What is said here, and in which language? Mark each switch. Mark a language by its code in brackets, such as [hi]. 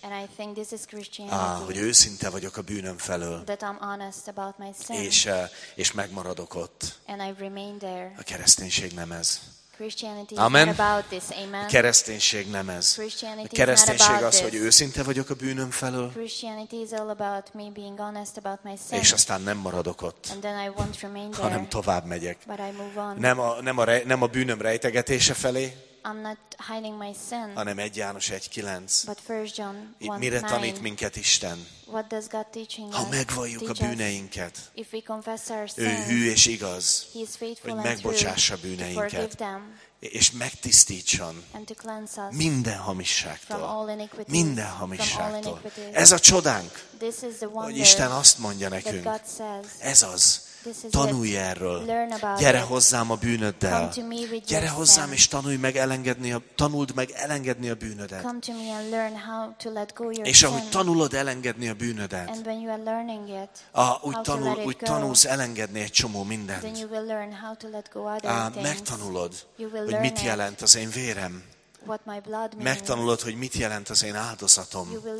[en] And I think this is Christianity. [hu] Hogy őszinte vagyok a bűnöm felől. [en] That I'm honest about my sin. [hu] És megmaradok ott. [en] And I remain there. [hu] A kereszténység nem ez. [en] Christianity amen. Is not about this. Amen. [hu] A kereszténység nem ez. [en] Christianity [hu] a kereszténység az, [en] this. [hu] Hogy őszinte vagyok a bűnöm felől. [en] Christianity is all about me being honest about my sin. [hu] És aztán nem maradok ott. [en] And then I won't remain there. [hu] Hanem tovább megyek. [en] But I move on. [hu] Nem a bűnöm rejtegetése felé. [en] I'm not hiding my sin. [hu] Hanem 1 János 1:9. [en] But 1 John 1:9. [hu] Mire tanít minket Isten? [en] What does God teaching [hu] ha megvalljuk a bűneinket, [en] if we confess our sins, [hu] ő hű és igaz, [en] he is faithful [hu] hogy megbocsássa a bűneinket, [en] them, [hu] és megtisztítson [en] and to cleanse us [hu] minden hamisságtól. [en] From all iniquities, [hu] minden hamisságtól. [en] From all iniquities. [hu] Ez a csodánk, [en] this is the wonder, [hu] hogy Isten azt mondja nekünk, [en] that God says, [hu] ez az, tanulj erről. [en] Learn about [hu] gyere [en] it. [hu] Hozzám a bűnöddel. [en] Come to me with [hu] gyere hozzám, és tanuld meg elengedni a bűnödet. [en] Come to me and learn how to let go your [hu] és ahogy tanulod elengedni a bűnödet, [en] and when you are learning it, [hu] úgy, [en] how [hu] tanul, [en] to let [hu] úgy [en] it go, [hu] tanulsz elengedni egy csomó mindent. [en] Then you will learn how to let go other things. [hu] Megtanulod, hogy mit jelent az én vérem. Megtanulod, hogy mit jelent az én áldozatom.